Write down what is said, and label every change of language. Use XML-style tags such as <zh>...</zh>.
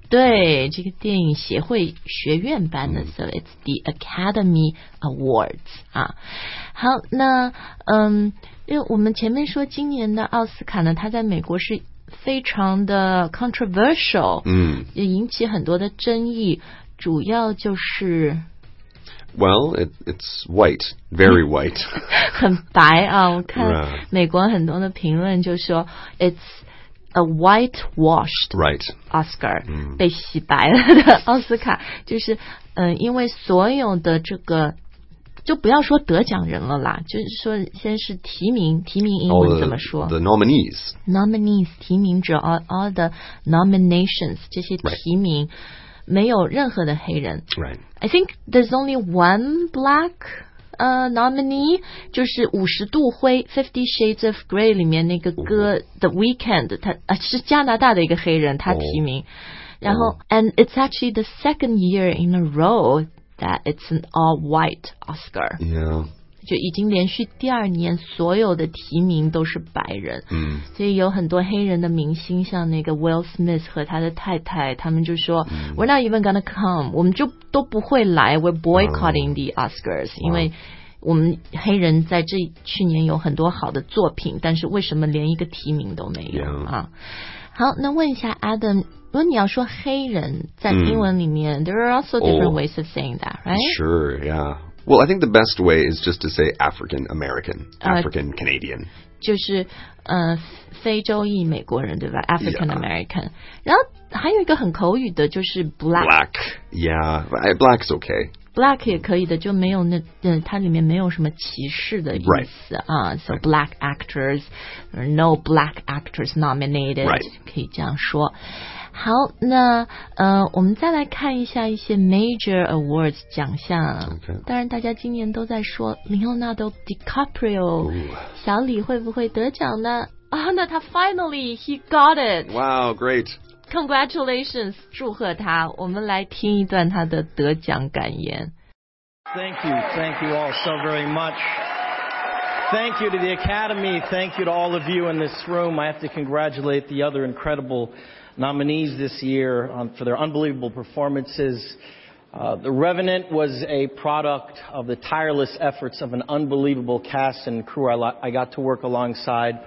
<zh>对这个电影协会学院颁的、</zh> <en>So it's the Academy Awards</en> <zh>啊。好，那因为我们前面说今年的奥斯卡呢，它在美国是非常的 controversial 也引起很多的争议，主要就是</zh> <en>Well, it's white, very white.</en> <zh>很白啊，我看美国很多的评论就说</zh> <en>it's a whitewashed Oscar,、</en> <zh>被洗白了的奥斯卡，就是因为所有的这个就不要说得奖人了啦，就是说先是提名英文怎么说</zh> <en>the nominees. Nominees,</en> <zh>提名者</zh> <en>all the nominations,</en> <zh>这些提名、</zh> <en>right.</en> <zh>没有任何的黑人</zh> <en>Right. I think there's only one black nominee,</en> <zh>就是五十度灰 50 Shades of Grey 里面那个歌、The Weeknd, 他、是加拿大的一个黑人他提名、然后、</zh> <en>And it's actually the second year in a row that it's an all white Oscar. Yeah.</en> <zh>就已经连续第二年所有的提名都是白人、所以有很多黑人的明星像那个 Will Smith 和他的太太他们就说、</zh> <en>We're not even gonna come</en> <zh>我们就都不会来</zh> <en>We're boycotting the Oscars、</en> <zh>因为我们黑人在这去年有很多好的作品但是为什么连一个提名都没有、好那问一下 Adam 如果你要说黑人在英文里面、</zh> <en>There are also different ways of saying that right? Sure yeah Well, I think the best way is just to say African American, African Canadian.</en> <zh>就是非洲裔美国人对吧 African American、yeah. 然后还有一个很口语的就是 black</zh> <en>yeah black's okay</en> <zh>black 也可以的就没有那它里面没有什么歧视的意思、</zh> <en>right. so black actors no black actors nominated、 right.</en> <zh>可以这样说好那我们再来看一下一些 major awards 奖项、</zh> <en>okay.</en> <zh>当然大家今年都在说 Leonardo DiCaprio、</zh> <en>Ooh.</en> <zh>小李会不会得奖呢啊、oh, 那他</zh> <en>finally he got it wow great</en> <zh>congratulations 祝贺他我们来听一段他的得奖感言</zh> <en>thank you all so very much thank you to the academy thank you to all of you in this room I have to congratulate the other incredible nominees this year for their unbelievable performances The Revenant was a product of the tireless efforts of an unbelievable cast and crew I got to work alongside.</en>